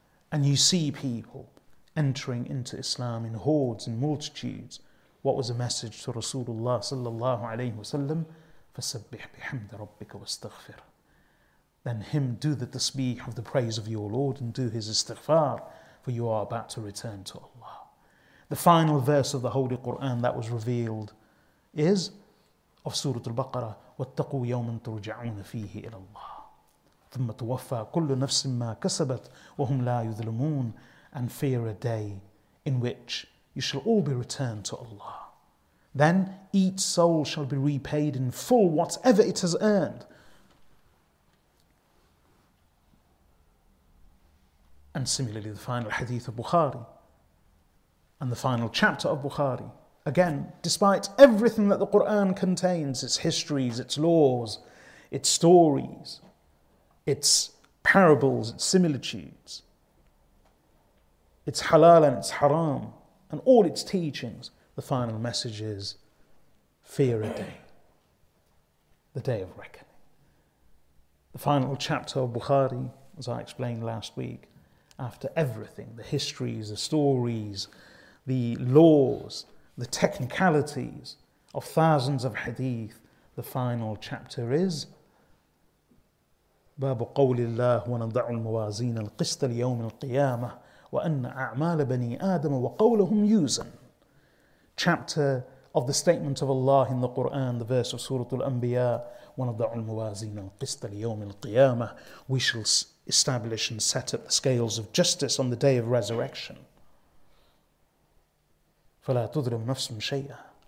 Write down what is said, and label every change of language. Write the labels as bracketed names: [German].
[English] And you see people entering into Islam in hordes, in multitudes. What was the message to Rasulullah sallallahu alaihi wasallam? [Arabic] فَسَبِّحْ بِحَمْدَ رَبِّكَ وَاسْتَغْفِرْ. [English] Then him, do the tasbih of the praise of your Lord and do his istighfar, for you are about to return to Allah. The final verse of the Holy Quran that was revealed is of Surah Al-Baqarah, [Arabic] وَاتَّقُوا يَوْمًا تُرْجَعُونَ فِيهِ إِلَى اللَّهِ ثُمَّ تُوَفَّى كُلُّ نَفْسٍ مَّا كَسَبَتْ وَهُمْ لَا يُظْلَمُونَ. [English] And fear a day in which you shall all be returned to Allah. Then each soul shall be repaid in full whatever it has earned. And similarly, the final hadith of Bukhari and the final chapter of Bukhari. Again, despite everything that the Qur'an contains, its histories, its laws, its stories, its parables, its similitudes, its halal and its haram, and all its teachings, the final message is, fear a day, the day of reckoning. The final chapter of Bukhari, as I explained last week, after everything, the histories, the stories, the laws, the technicalities of thousands of hadith, the final chapter is [Arabic] باب قول الله ونضع الموازين القسط ليوم القيامة وأن أعمال بني آدم وقولهم يوزن. [English] Chapter of the statement of Allah in the Quran, the verse of Surah Al-Anbiya, [Arabic] وَنَضَعُ الْمُوَازِينَ الْقِسْطَ لِيَوْمِ الْقِيَامَةِ. [English] We shall establish and set up the scales of justice on the day of resurrection. [Arabic] فَلَا تُذْرِمْ نَفْسٌ شَيْئًا.